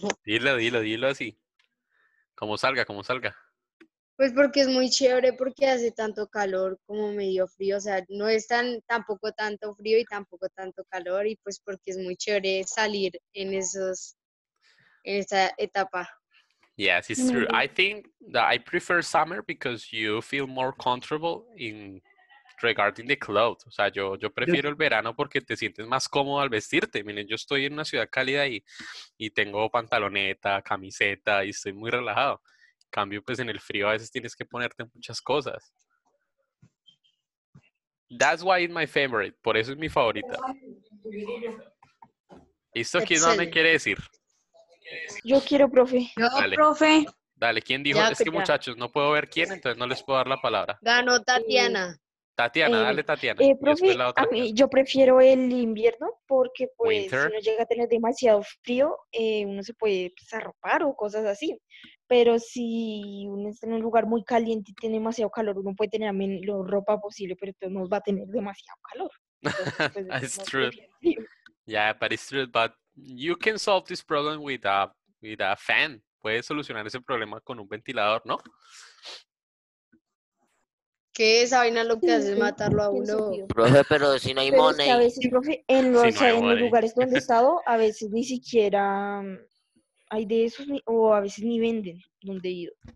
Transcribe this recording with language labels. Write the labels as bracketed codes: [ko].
[es] Dilo así. Como salga. Pues porque es muy chévere, porque hace tanto calor como medio frío. O sea, no es tampoco tanto frío y tampoco tanto calor. Y pues porque es muy chévere salir en esa etapa. [en] Yes, it's true. I think that I prefer summer because you feel more comfortable in regarding the clothes. [es] O sea, yo prefiero el verano porque te sientes más cómodo al vestirte. Miren, yo estoy en una ciudad cálida y tengo pantaloneta, camiseta y estoy muy relajado. Cambio, pues en el frío a veces tienes que ponerte muchas cosas. [en] That's why it's my favorite. [es] Por eso es mi favorita. ¿Esto aquí no me quiere decir? Yo quiero, profe. Yo, dale. Profe. Dale, ¿quién dijo? Ya, es que ya. Muchachos, no puedo ver quién, entonces no les puedo dar la palabra. Ganó Tatiana. Tatiana, dale Tatiana. Profe, la otra. A mí, yo prefiero el invierno porque pues Winter. Si uno llega a tener demasiado frío, uno se puede arropar o cosas así. Pero si uno está en un lugar muy caliente y tiene demasiado calor, uno puede tener también la ropa posible, pero entonces no va a tener demasiado calor. Entonces, pues, [en] it's true, but you can solve this problem with a fan. [es] Puedes solucionar ese problema con un ventilador, ¿no? ¿Qué es esa vaina lo que hace matarlo a uno? Profe, pero si no hay pero [en] money. [es] Es que a veces, profe, en los, si no, o sea, en los lugares donde he estado, a veces ni siquiera hay de esos, o a veces ni venden donde he ido.